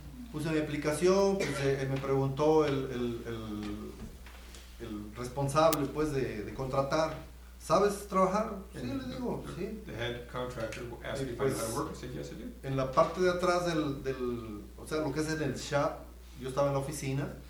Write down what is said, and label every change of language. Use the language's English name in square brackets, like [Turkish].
[Spanish] Puse mi aplicación, pues, me preguntó el responsable, pues, de contratar. ¿Sabes trabajar? Sí, le digo, sí. [English] The head contractor asked me if I know how to work. I said, yes, I do. [Spanish] En la parte de atrás del o sea, lo que es en el shop, yo estaba en la oficina.